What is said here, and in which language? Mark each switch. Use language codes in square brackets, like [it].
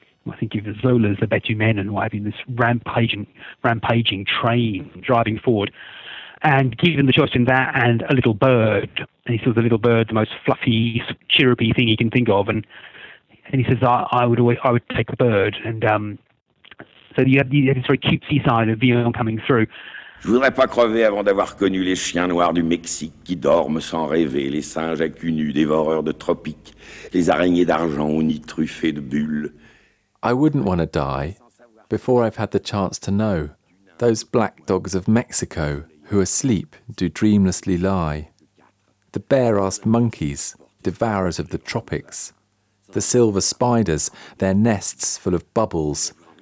[en] I think of Zola's Le Bitumen and what have you, this rampaging train driving forward. And given the choice between that and a little bird, and he says the little bird, the most fluffy, chirrupy thing he can think of. And he says, I would take a bird. And so you have this very cutesy side of Vian coming through. [fr] Je voudrais pas crever avant d'avoir connu les chiens noirs du Mexique qui dorment sans rêver, les singes à cul nus, dévoreurs de tropiques, les araignées d'argent au nid truffé de bulles. [en] I wouldn't want to die before I've had the chance to know those black dogs of Mexico who asleep do dreamlessly lie, the bare-assed monkeys, devourers of the tropics, the silver spiders, their nests full of bubbles.